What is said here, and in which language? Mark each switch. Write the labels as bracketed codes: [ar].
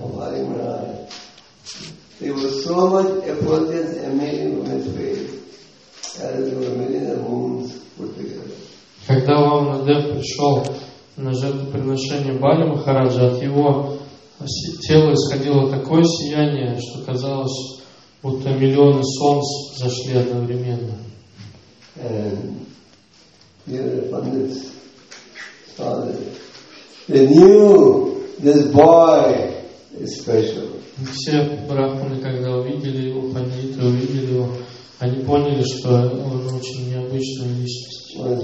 [en] There was so much effulgence emanating from his face as there were millions of moons put together. [ru] Когда Вамана-дев пришел на жертвоприношение Бали Махараджа, от его тела исходило такое сияние, что казалось, будто миллионы солнц зашли одновременно. [en] And here the pundits saw that they knew This boy is special. [ru] Все брахманы, когда увидели его, пандиты увидели его, они поняли, что он очень необычная личность.